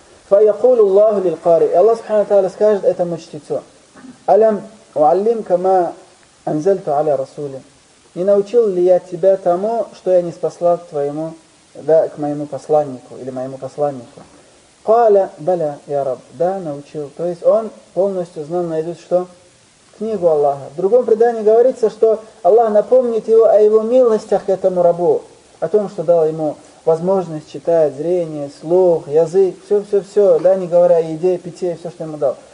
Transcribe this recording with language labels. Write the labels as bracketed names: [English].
[Arabic] فَيَقُولُ اللَّهُ لِلْقَارِئِ, [Russian] Аллах Субхану Тааля скажет этому чтецу, [Arabic] أَلَمْ أُعَلِّمْكَ مَا أَنْزَلْتُ عَلَى رَسُولِ, [Russian] не научил ли я тебя тому, что я не спослал к твоему, да, к моему посланнику или моему посланнику? [Arabic] قَالَ بَلَا يَا رَبْ, [Russian] да, научил. То есть он полностью знал наизусть, что книгу Аллаха. В другом предании говорится, что Аллах напомнит его о его милостях к этому рабу, о том, что дал ему возможность читать, зрение, слух, язык, все-все-все, да, не говоря о еде, питье, все, что ему дал.